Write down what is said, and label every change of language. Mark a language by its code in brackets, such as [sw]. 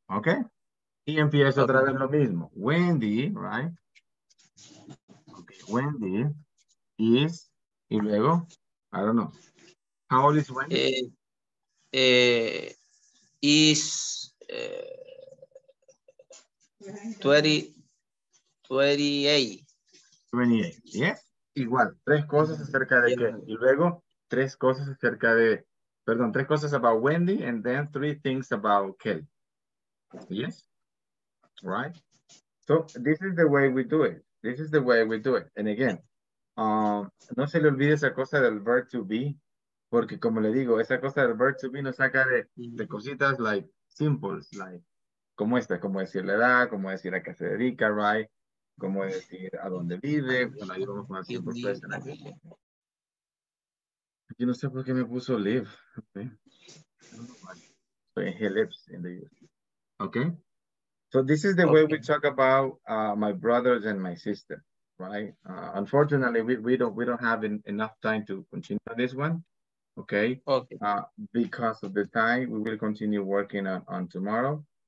[es] Okay, y empiezo okay otra vez lo mismo. [en] Wendy, right? Okay, Wendy is, [es] y luego, [en] I don't know. How old is Wendy? Is 28. [es] 28, yes? Igual, tres cosas acerca de qué. Y luego, tres cosas acerca de, perdón, tres cosas [en] about Wendy, and then three things about Kelly. Yes, right. So this is the way we do it. This is the way we do it. And again, [es] no se le olvide esa cosa del verb to be, porque como le digo, esa cosa del verb to be nos saca de cositas like simples, like como esta, como decir la edad, como decir a qué se dedica, right? Como decir a dónde vive. Bueno, ahí vamos con el simple present. Aquí no sé por qué me puso live. [en] Okay. So he lives in the US. Okay. So this is the way we talk about my brothers and my sister, right? Unfortunately, we don't have enough time to continue this one. Okay. Okay. Because of the time, we will continue working on tomorrow.